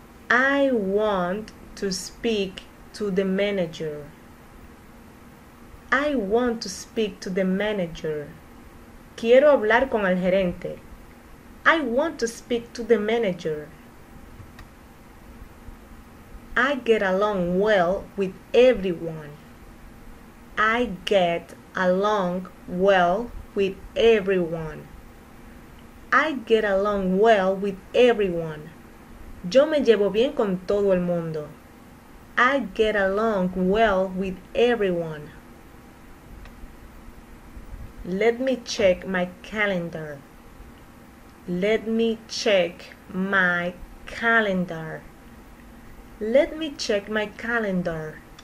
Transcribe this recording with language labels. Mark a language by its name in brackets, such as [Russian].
[English] I want to speak to the manager. I want to speak to the manager. [Spanish] Quiero hablar con el gerente. [English] I want to speak to the manager. I get along well with everyone. I get along well with everyone. I get along well with everyone. [Spanish] Yo me llevo bien con todo el mundo. [English] I get along well with everyone. Let me check my calendar. Let me check my calendar. Let me check my calendar.